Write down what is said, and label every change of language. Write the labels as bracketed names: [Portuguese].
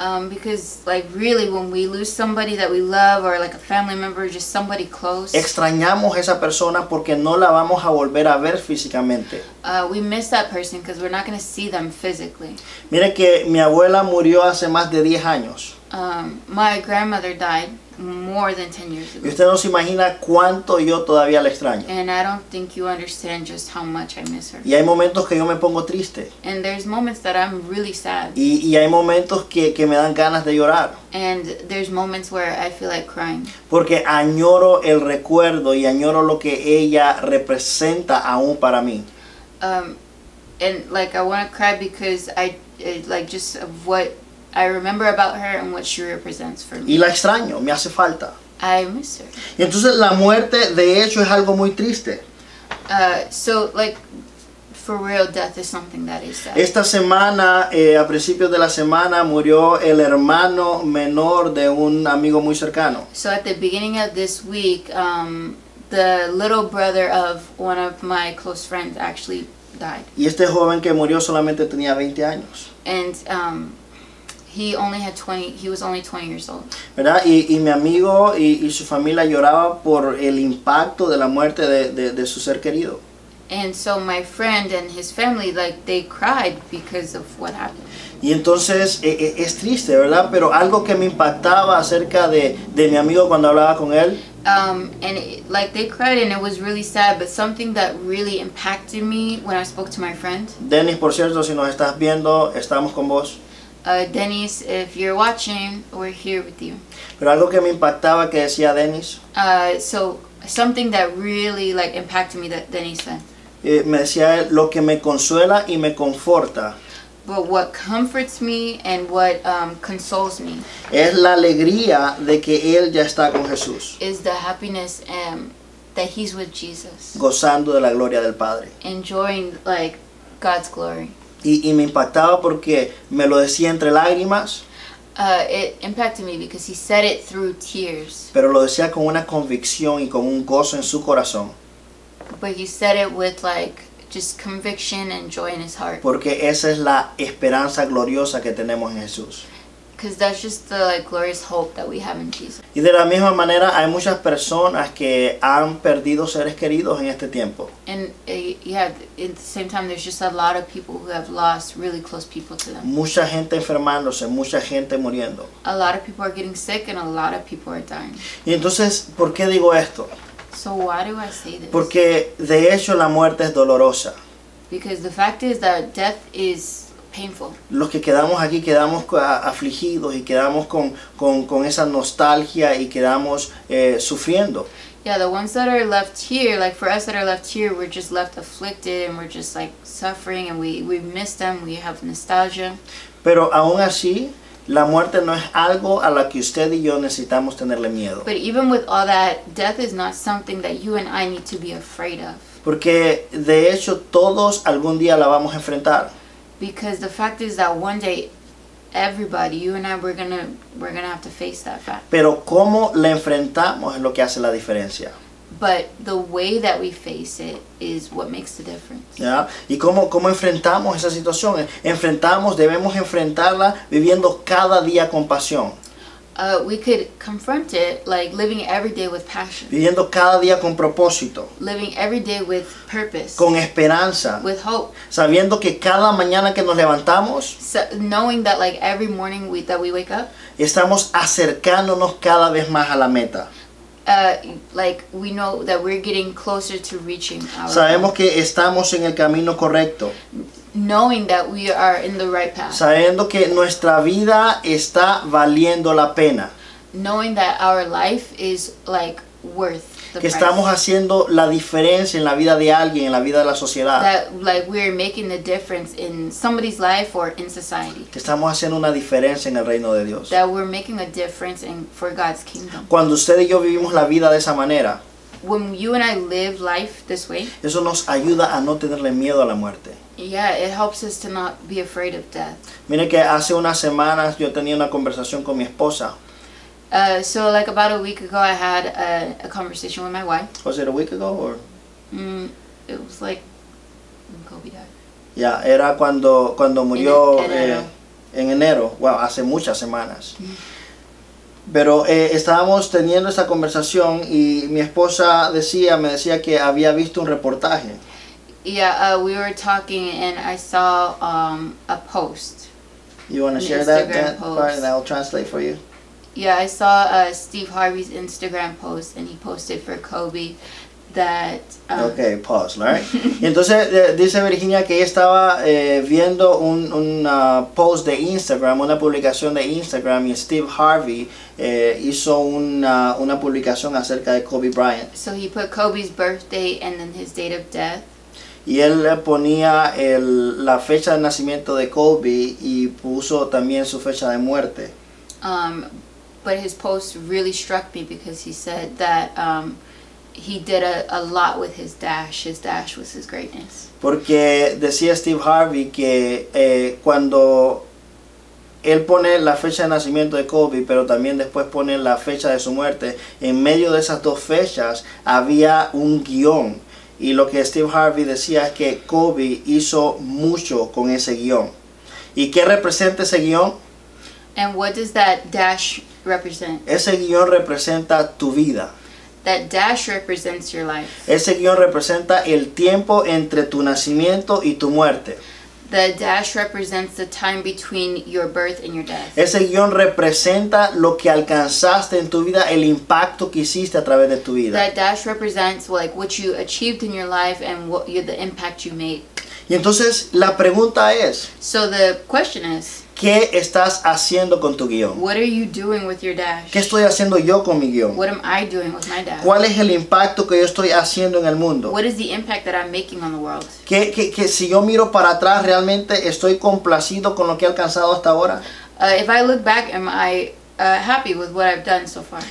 [English] Because like really when we lose somebody that we love or like a family member or just somebody close, [Spanish] extrañamos esa persona porque no la vamos a volver a ver físicamente. [English] We miss that person because we're not going to see them physically. [Spanish] Mire que mi abuela murió hace más de 10 años. [English] My grandmother died more than 10 years ago. [Spanish] Y usted no se imagina cuánto yo todavía la extraño. [English] And I don't think you understand just how much I miss her. [Spanish] Y hay momentos que yo me pongo triste. [English] And there's moments that I'm really sad. [Spanish] Y hay momentos que me dan ganas de llorar. [English] And there's moments where I feel like crying. [Spanish] Porque añoro el recuerdo y añoro lo que ella representa aún para mí. [English] And like I want to cry because I like just of what I remember about her and what she represents for me. [Spanish] Y la extraño, me hace falta. [English] I miss her. [Spanish] Y entonces la muerte de hecho es algo muy triste. [English] So like for real death is something that is sad. [Spanish] Esta semana, a principios de la semana murió el hermano menor de un amigo muy cercano. [English] So at the beginning of this week, the little brother of one of my close friends actually died. [Spanish] Y este joven que murió solamente tenía 20 años. [English] And he was only 20 years old. [Spanish] ¿Verdad? Y mi amigo y su familia lloraba por el impacto de la muerte de su ser querido. [English] And so my friend and his family, like, they cried because of what happened. [Spanish] Y entonces, es triste, ¿verdad? Pero algo que me impactaba acerca de mi amigo cuando hablaba con él. [English] And it, like, they cried and it was really sad, but something that really impacted me when I spoke to my friend. [Spanish] Dennis, por cierto, si nos estás viendo, estamos con vos. [English] Dennis, if you're watching, we're here with you. [Spanish] Pero algo que me impactaba que decía Dennis. [English] Something that really like impacted me that Dennis said. [Spanish] Me decía él, lo que me consuela y me conforta. [English] But what comforts me and what consoles me. [Spanish] Es la alegría de que él ya está con Jesús. [English] Is the happiness that he's with Jesus. [Spanish] Gozando de la gloria del Padre. [English] Enjoying like God's glory. [Spanish] Y me impactaba porque me lo decía entre lágrimas. [English] It impacted me because he said it through tears. [Spanish] Pero lo decía con una convicción y con un gozo en su corazón. [English] But he said it with like just conviction and joy in his heart. [Spanish] Porque esa es la esperanza gloriosa que tenemos en Jesús. [English] Because that's just the like, glorious hope that we have in Jesus. [Spanish] Y de la misma manera, hay muchas personas que han perdido seres queridos en este tiempo. [English] And yeah, at the same time, there's just a lot of people who have lost really close people to them. [Spanish] Mucha gente enfermándose, mucha gente muriendo. [English] A lot of people are getting sick and a lot of people are dying. [Spanish] Y entonces, ¿por qué digo esto? [English] So why do I say this? [Spanish] Porque de hecho la muerte es dolorosa. [English] Because the fact is that death is painful. [Spanish] Los que quedamos aquí quedamos afligidos y quedamos con esa nostalgia y quedamos sufriendo. [English] Yeah, the ones that are left here, like for us that are left here, we're just left afflicted and we're just like suffering and we miss them, we have nostalgia. [Spanish] Pero aún así, la muerte no es algo a la que usted y yo necesitamos tenerle miedo. [English] But even with all that, death is not something that you and I need to be afraid of. [Spanish] Porque de hecho todos algún día la vamos a enfrentar. [English] Because the fact is that one day everybody, you and I, we're gonna have to face that fact. [Spanish] Pero cómo la enfrentamos es lo que hace la diferencia. [English] But the way that we face it is what makes the difference. [Spanish] Yeah. ¿Y cómo enfrentamos esa situación? Debemos enfrentarla viviendo cada día con pasión. [English] We could confront it like living every day with passion. [Spanish] Viviendo cada día con propósito. [English] Living every day with purpose. [Spanish] Con esperanza. [English] With hope. [Spanish] Sabiendo que cada mañana que nos levantamos. [English] So, knowing that like every morning that we wake up. [Spanish] Estamos acercándonos cada vez más a la meta. [English] Like we know that we're getting closer to reaching our [Spanish] Sabemos que estamos en el camino correcto. [English] Knowing that we are in the right path. [Spanish] Sabiendo que nuestra vida está valiendo la pena. [English] Knowing that our life is like worth the [Spanish] que estamos [English] price. [Spanish] Haciendo la diferencia en la vida de alguien, en la vida de la sociedad. [English] That like we're making the difference in somebody's life or in society. [Spanish] Que estamos haciendo una diferencia en el reino de Dios. [English] That we're making a difference in for God's kingdom. [Spanish] Cuando usted y yo vivimos la vida de esa manera. [English] When you and I live life this way. [Spanish] Eso nos ayuda a no tenerle miedo a la muerte. [English] Yeah, it helps us to not be afraid of death. [Spanish] Mire que hace unas semanas yo tenía una conversación con mi esposa. [English] So like about a week ago I had a conversation with my wife. Was it a week ago or? It was like when Kobe died. [Spanish] Yeah, era cuando murió en enero. Wow, hace muchas semanas. Pero estábamos teniendo esa conversación y mi esposa me decía que había visto un reportaje. [English] Yeah, we were talking and I saw a post. You want to share that part and I'll translate for you? Yeah, I saw Steve Harvey's Instagram post and he posted for Kobe that... Okay, pause, right? [Spanish] Y entonces dice Virginia que ella estaba viendo un post de Instagram, una publicación de Instagram, y Steve Harvey hizo una publicación acerca de Kobe Bryant. [English] So he put Kobe's birthday and then his date of death. [Spanish] Y él ponía la fecha de nacimiento de Kobe y puso también su fecha de muerte. [English] But his post really struck me because he said that he did a lot with his dash. His dash was his greatness. [Spanish] Porque decía Steve Harvey que cuando él pone la fecha de nacimiento de Kobe, pero también después pone la fecha de su muerte, en medio de esas dos fechas había un guión. Y lo que Steve Harvey decía es que Kobe hizo mucho con ese guión. ¿Y qué representa ese guión? [English] And what does that dash represent? [Spanish] Ese guión representa tu vida. [English] That dash represents your life. [Spanish] Ese guión representa el tiempo entre tu nacimiento y tu muerte. [English] The dash represents the time between your birth and your death. [Spanish] Ese guión representa lo que alcanzaste en tu vida, el impacto que hiciste a través de tu vida. [English] That dash represents like what you achieved in your life and what the impact you made. [Spanish] Y entonces la pregunta es. [English] So the question is. [Spanish] ¿Qué estás haciendo con tu guión? [English] What are you doing with your dash? [Spanish] ¿Qué estoy haciendo yo con mi guión? [English] What am I doing with my dash? [Spanish] ¿Cuál es el impacto que yo estoy haciendo en el mundo? [English] What is the impact that I'm making on the world? [Spanish] ¿Qué si yo miro para atrás, realmente estoy complacido con lo que he alcanzado hasta ahora? [English] If I look back, am I happy with what I've done so far?